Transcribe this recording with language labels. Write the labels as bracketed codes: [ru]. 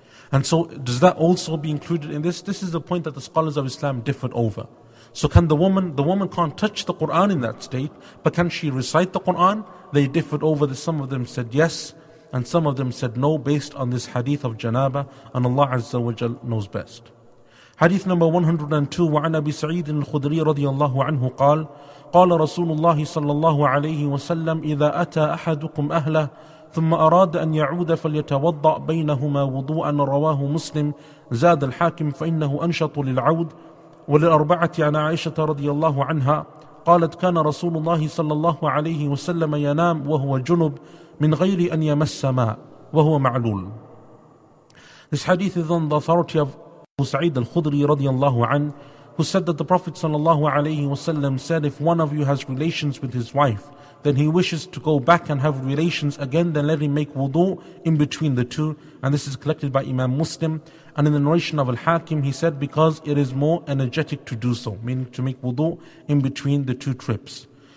[en] And so does that also be included in this? This is the point that the scholars of Islam differed over. So can the woman can't touch the Quran in that state, but can she recite the Quran? They differed over this. Some of them said yes, and some of them said no, based on this hadith of janaba, and Allah Azza wa Jal knows best. Hadith number 102, [ar] وعن أبي سعيد الخدري رضي الله عنه قال قال رسول الله صلى الله عليه وسلم إذا أتى أحدكم أهله ثم أراد أن يعود فليتوضأ بينهما وضوءا رواه مسلم زاد الحاكم فإنه أنشط للعود وللأربعة عن عائشة رضي الله عنها قالت كان رسول الله صلى الله عليه وسلم ينام وهو جنب من غير أن يمس ماء وهو معلول. [en] This hadith is on the authority of Abu Sa'id al-Khudri radiallahu anhu, who said that the Prophet sallallahu alayhi wasallam said, "If one of you has relations with his wife, then he wishes to go back and have relations again, then let him make wudu in between the two." And this is collected by Imam Muslim. And in the narration of Al-Hakim, he said, "Because it is more energetic to do so," meaning to make wudu in between the two trips.